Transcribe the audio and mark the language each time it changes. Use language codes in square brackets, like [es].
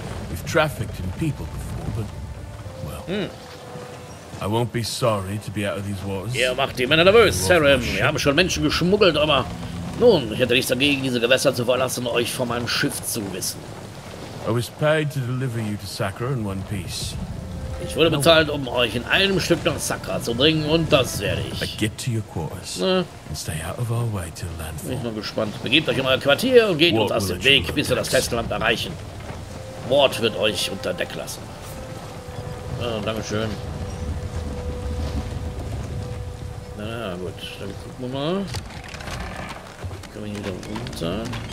[en] We've trafficked in people before, but well, I won't be sorry to be out of these waters. [de] Ihr macht die Männer nervös, Sir. Wir haben schon Menschen geschmuggelt, aber nun, ich hätte nichts dagegen, diese Gewässer zu verlassen, euch von meinem Schiff zu wissen. [en] I was paid to deliver you to Sakra in one piece. [de] Ich wurde bezahlt, um euch in einem Stück nach Sakra zu bringen, und das werde ich. [en] Get to your quarters and stay out of our way till landfall. [de] Bin ich nur gespannt. Begebt euch in euer Quartier und geht uns aus dem Weg, bis wir das Festland erreichen. Mord wird euch unter Deck lassen. Ja, dankeschön. Na ja, gut, dann gucken wir mal. Können wir hier runter?